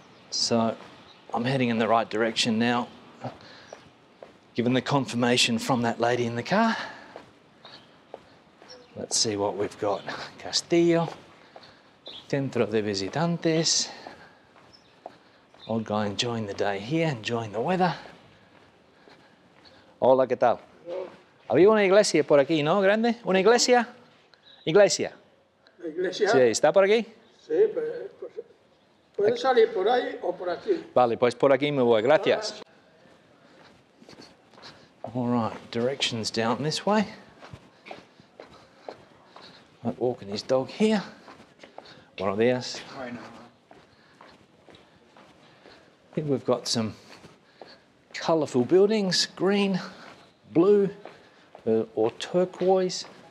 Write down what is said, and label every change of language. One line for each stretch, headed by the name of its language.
English: So I'm heading in the right direction now, given the confirmation from that lady in the car. Let's see what we've got. Castillo, Centro de Visitantes. Old guy enjoying the day here, enjoying the weather.
Spanish: Hola, ¿qué tal? Había una iglesia por aquí, ¿no? Grande. ¿Una iglesia? Iglesia. ¿Iglesia? Sí, ¿está por aquí? Sí, pero puede salir por ahí o por aquí. Vale, pues por aquí me voy. Gracias.
English: All right, directions down this way. I'm walking his dog here.
Spanish: Buenos dias.
English: I think we've got some colourful buildings, green, blue, or turquoise.